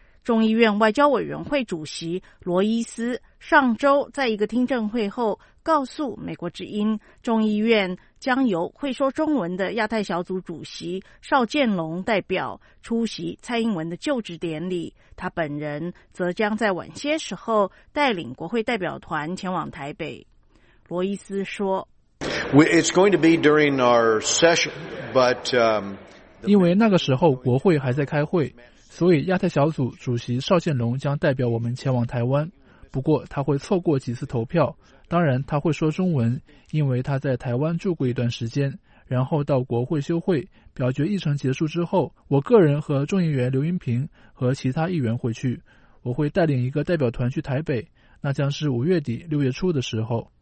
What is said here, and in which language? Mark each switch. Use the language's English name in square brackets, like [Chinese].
[Chinese] 众议院外交委员会主席罗伊斯上周在一个听证会后告诉美国之音，众议院将由会说中文的亚太小组主席邵建龙代表出席蔡英文的就职典礼，他本人则将在晚些时候带领国会代表团前往台北。罗伊斯说， [English] It's going to be during our session, but, [Chinese] 因为那个时候国会还在开会，所以亚太小组主席邵建龙将代表我们前往台湾，不过他会错过几次投票，当然他会说中文，因为他在台湾住过一段时间，然后到国会休会，表决议程结束之后，我个人和众议员刘英平和其他议员回去，我会带领一个代表团去台北，那将是5月底6月初的时候。